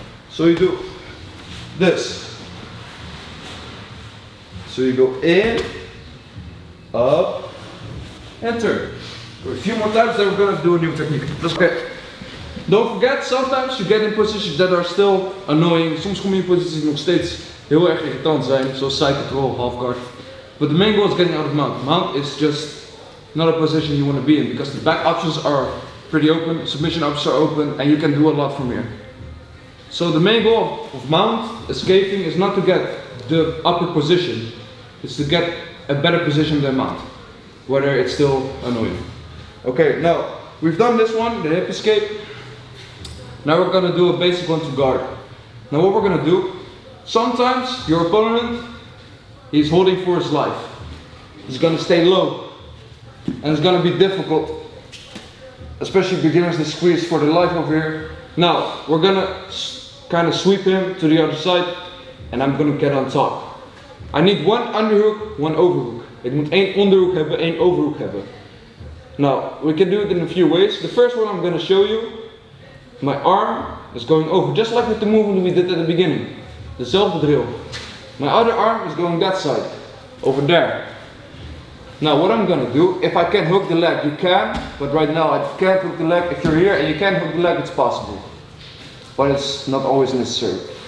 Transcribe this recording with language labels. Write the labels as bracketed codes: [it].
[en] So you do this. So you go in, up, and turn. A few more times, then we're gonna do a new technique. Let's go. Don't forget, sometimes you get in positions that are still annoying. [nl] Soms kom je in posities die nog steeds heel erg irritant zijn, zoals side control, half guard. [en] But the main goal is getting out of mount. Mount is just not a position you want to be in, because the back options are pretty open, submission options are open, and you can do a lot from here. So the main goal of mount, escaping, is not to get the upper position. It's to get a better position than mount, whether it's still annoying. Okay, now, we've done this one, the hip escape. Now we're gonna do a basic one to guard. Now what we're gonna do, sometimes your opponent, he's holding for his life. He's gonna stay low. And it's gonna be difficult. Especially beginners that squeeze for the life over here. Now, we're gonna kind of sweep him to the other side. And I'm gonna get on top. I need one underhook, one overhook. [nl] It moet één onderhoek hebben, één overhoek hebben. [en] Now, we can do it in a few ways. The first one I'm gonna show you, my arm is going over, just like with the movement we did at the beginning. [nl] Dezelfde drill. [en] My other arm is going that side, over there. Now, what I'm gonna do, if I can hook the leg, you can, but right now I can't hook the leg. If you're here and you can't hook the leg, it's possible. But it's not always necessary.